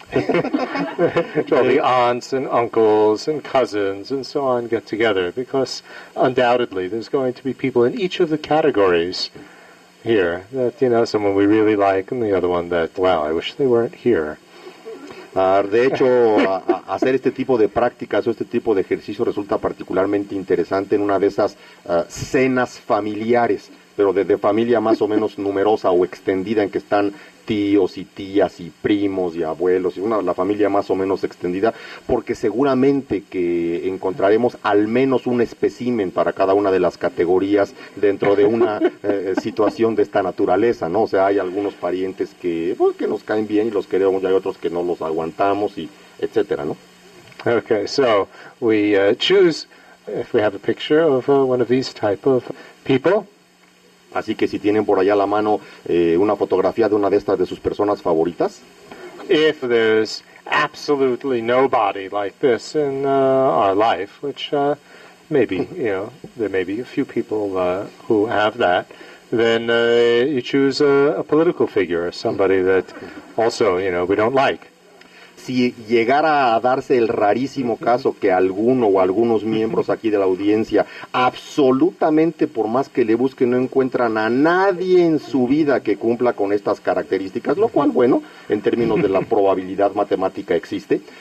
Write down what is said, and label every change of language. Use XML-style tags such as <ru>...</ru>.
<en>All the aunts and uncles and cousins and so on get together, because undoubtedly there's going to be people in each of the categories here that, you know, someone we really like and the other one that, wow, I wish they weren't here.</en> <es>De hecho, hacer este tipo de prácticas o este tipo de ejercicio resulta particularmente interesante en una de esas cenas familiares, pero de familia más o menos numerosa o extendida, en que están tíos y tías y primos y abuelos, y la familia más o menos extendida, porque seguramente que encontraremos al menos un espécimen para cada una de las categorías dentro de una situación de esta naturaleza, ¿no? O sea, hay algunos parientes que, pues, que nos caen bien y los queremos, y hay otros que no los aguantamos, y etcétera, ¿no?</es> <en>Okay, so we choose, if we have a picture of one of these type of people.</en> <es>Así que si tienen por allá a la mano una fotografía de una de estas de sus personas favoritas.</es> <en>If there's absolutely nobody like this in our life, which maybe, you know, there may be a few people who have that, then you choose a political figure, somebody that also, you know, we don't like.</en> <es>Si llegara a darse el rarísimo caso que alguno o algunos miembros aquí de la audiencia absolutamente por más que le busquen no encuentran a nadie en su vida que cumpla con estas características, lo cual, bueno, en términos de la probabilidad matemática existe.</es>